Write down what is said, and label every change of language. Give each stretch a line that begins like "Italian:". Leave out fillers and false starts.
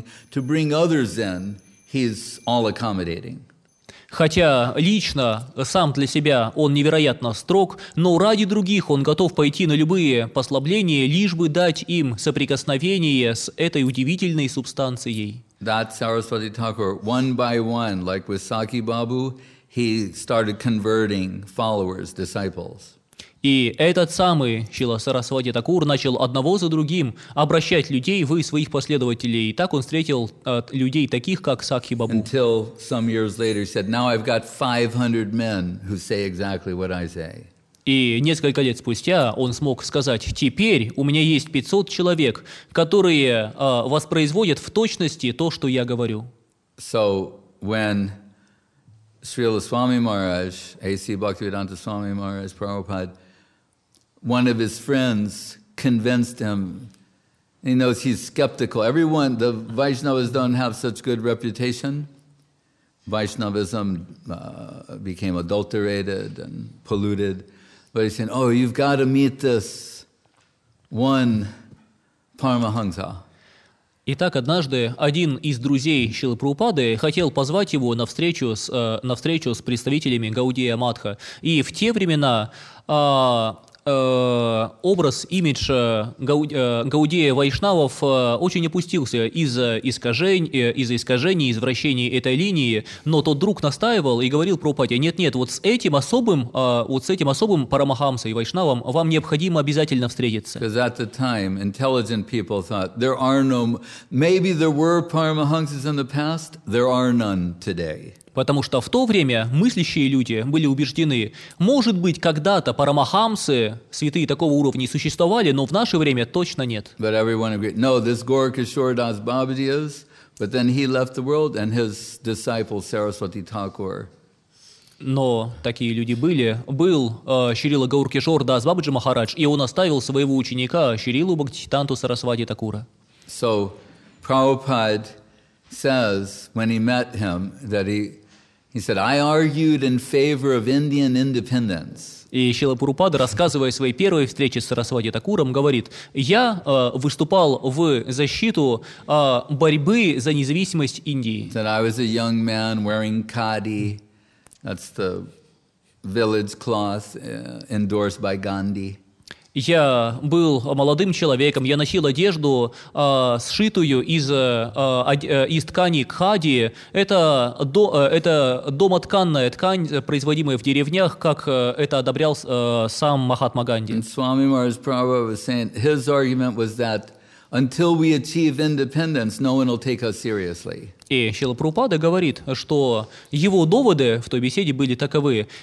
English: To bring others in, he's all accommodating.
Russian: Хотя лично сам для себя он невероятно строг, но ради других он готов пойти на любые послабления, лишь бы дать им соприкосновение с этой удивительной субстанцией.
English: That's Saraswati Thakur. One by one, like with Saki Babu, he started converting followers, disciples.
Russian: И этот самый Шрила Сарасвати Такур начал одного за другим обращать людей в своих последователей. И так он встретил людей таких, как Сакхи Бабу.
English: Until some years later he said, now I've got 500 men who say exactly what I say.
Russian: И несколько лет спустя он смог сказать, теперь у меня есть 500 человек, которые воспроизводят в точности то, что я говорю.
English: So when Srila Swami Maharaj, A.C. Bhaktivedanta Swami Maharaj, Prabhupada, one of his friends convinced him. He knows he's skeptical. Everyone, the Vaishnavas don't have such good reputation. Vaishnavism became adulterated and polluted. But he said, oh, you've got to meet this one Paramahansa.
Russian: Итак, однажды один из друзей Шрилы Прабхупады хотел позвать его на встречу с представителями Гаудия Матха. И в те времена образ, имидж Гаудия Вайшнавов очень опустился из-за искажений, извращений этой линии. Но тот друг настаивал и говорил Прабхупаде, нет-нет, вот с этим особым Парамахамсой, Вайшнавом, вам необходимо обязательно встретиться.
English: Because at the time, intelligent people thought, there are no... Maybe there were Paramahamsas in the past, there are none today.
Russian: Потому что в то время мыслящие люди были убеждены, может быть, когда-то парамахамсы, святые такого уровня, существовали, но в наше время точно нет.
English: But everyone agreed, no, this Gaurakishore Das Babaji is, but then he left the world, and his disciple Saraswati Thakur.
Russian: Но такие люди были. Был Шрила Гаурикишор Дас Бабаджи Махарадж, и он оставил своего ученика Шрилу Бхактисиддханту Сарасвати Такура.
English: So, Prabhupada says when he met him that he said, I argued in favor of Indian independence.
Russian: И Шрила Прабхупада, рассказывая о своей первой встрече с Сарасвати Такуром, говорит, я выступал в защиту борьбы за независимость Индии.
English: That I was a young man wearing khadi, that's the village cloth endorsed by Gandhi.
Russian: Я был молодым человеком, я носил одежду, сшитую из ткани кхади. Это домотканная ткань, производимая в деревнях, как это одобрял сам Махатма Ганди.
English: And Swami Maharaj Prabhupada was saying, his argument was that until we achieve independence, no one will take us seriously.
Russian: И Шрила Прабхупада говорит, что его доводы в той беседе были таковы.